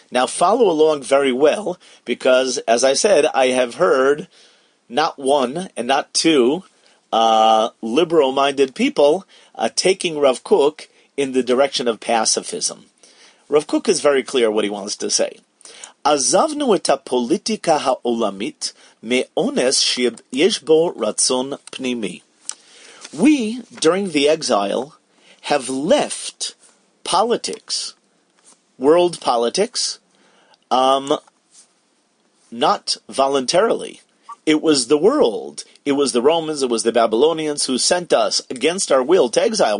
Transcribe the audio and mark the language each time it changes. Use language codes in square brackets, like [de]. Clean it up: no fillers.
[en] Now follow along very well, because as I said, I have heard not one and not two liberal-minded people taking Rav Kook in the direction of pacifism. Rav Kook is very clear what he wants to say. [he] עזבנו את הפוליטיקה העולמית מאונס שיש בו רצון פנימי. [en] We, during the exile, have left politics, world politics, not voluntarily. It was the world, it was the Romans, it was the Babylonians who sent us against our will to exile.